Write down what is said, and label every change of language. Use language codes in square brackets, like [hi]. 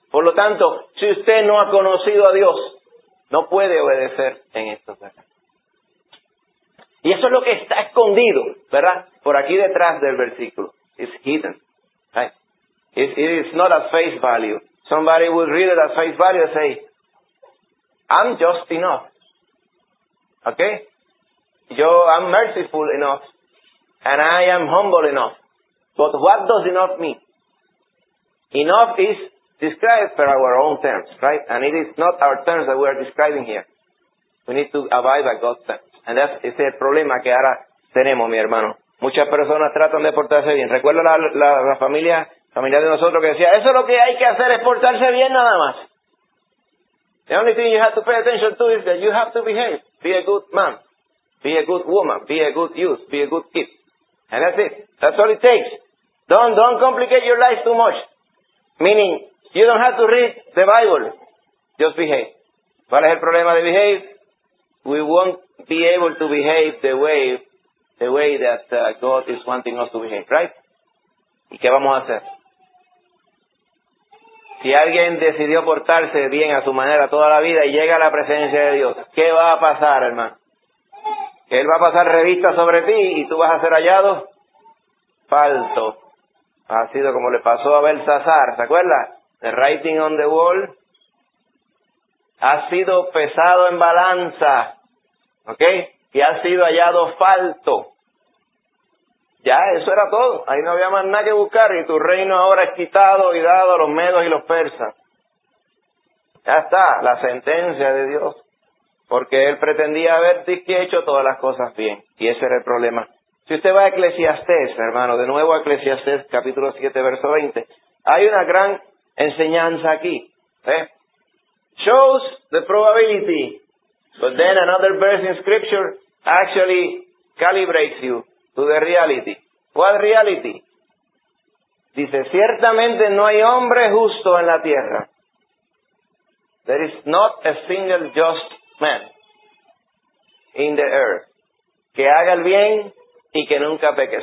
[es] Por lo tanto, si usted no ha conocido a Dios, no puede obedecer en esto. Y eso es lo que está escondido, ¿verdad? Por aquí detrás del versículo. [en] It's hidden. Right? It is not at face value. Somebody would read it at face value and say, I'm just enough. Okay? I'm merciful enough. And I am humble enough. But what does enough mean? Enough is described for our own terms, right? And it is not our terms that we are describing here. We need to abide by God's terms. And that is the problem [es] que ahora tenemos, mi hermano. Muchas personas tratan de portarse bien. Recuerdo la familia de nosotros que decía, eso es lo que hay que hacer, es portarse bien nada más. [en] The only thing you have to pay attention to is that you have to behave. Be a good man. Be a good woman. Be a good youth. Be a good kid. And that's it. That's all it takes. Don't complicate your life too much. Meaning, you don't have to read the Bible. Just behave. [es] ¿Cuál es el problema de behave? [en] We won't be able to behave the way that God is wanting us to behave, right? [es] ¿Y qué vamos a hacer? Si alguien decidió portarse bien a su manera toda la vida y llega a la presencia de Dios, ¿qué va a pasar, hermano? Él va a pasar revista sobre ti y tú vas a ser hallado falso. Ha sido como le pasó a Belsasar, ¿se acuerda? [en] The writing on the wall. [es] Ha sido pesado en balanza, ¿ok? Y ha sido hallado falto. Ya, eso era todo. Ahí no había más nada que buscar. Y tu reino ahora es quitado y dado a los medos y los persas. Ya está, la sentencia de Dios. Porque él pretendía haber hecho todas las cosas bien. Y ese era el problema. Si usted va a Eclesiastés, hermano, de nuevo a Eclesiastés, capítulo 7, verso 20. Hay una gran enseñanza aquí. [en] Shows the probability. But then another verse in scripture actually calibrates you to the reality. What reality? [es] Dice, ciertamente no hay hombre justo en la tierra. [en] There is not a single just man in the earth. [es] Que haga el bien y que nunca peque.